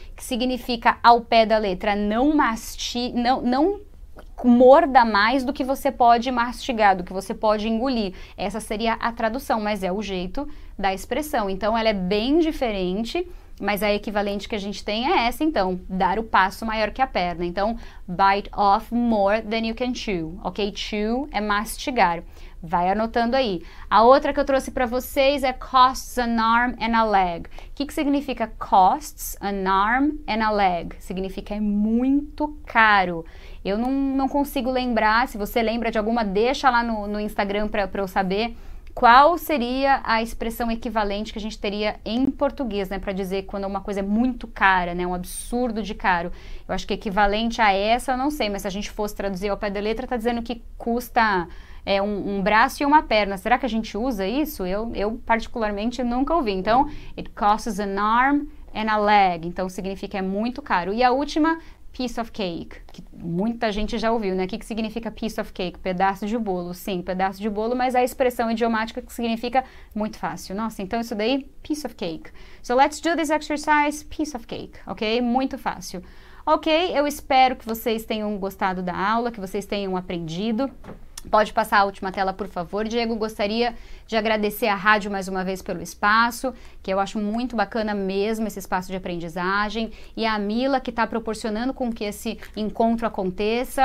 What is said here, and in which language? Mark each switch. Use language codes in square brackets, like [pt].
[pt] Que significa, ao pé da letra, não mastigue, não morda mais do que você pode mastigar, do que você pode engolir. Essa seria a tradução, mas é o jeito da expressão. Então, ela é bem diferente, mas a equivalente que a gente tem é essa, então, dar o passo maior que a perna. [en] Então, bite off more than you can chew, ok? [pt] Chew é mastigar. Vai anotando aí. A outra que eu trouxe para vocês é [en] costs an arm and a leg. [pt] O que significa [en] costs an arm and a leg? [pt] Significa é muito caro. Eu não consigo lembrar, se você lembra de alguma, deixa lá no Instagram para eu saber qual seria a expressão equivalente que a gente teria em português, né? Para dizer quando uma coisa é muito cara, né? Um absurdo de caro. Eu acho que equivalente a essa, eu não sei, mas se a gente fosse traduzir ao pé da letra, tá dizendo que custa um braço e uma perna. Será que a gente usa isso? Eu particularmente nunca ouvi. Então, [en] it costs an arm and a leg. [pt] Então, significa é muito caro. E a última, piece of cake, que muita gente já ouviu, né? O que significa piece of cake? Pedaço de bolo. Sim, pedaço de bolo, mas é a expressão idiomática que significa muito fácil. Nossa, então isso daí, piece of cake. [en] So, let's do this exercise, piece of cake, ok? [pt] Muito fácil. Ok, eu espero que vocês tenham gostado da aula, que vocês tenham aprendido. Pode passar a última tela, por favor, Diego. Gostaria de agradecer a rádio mais uma vez pelo espaço, que eu acho muito bacana mesmo esse espaço de aprendizagem, e a Mila, que está proporcionando com que esse encontro aconteça.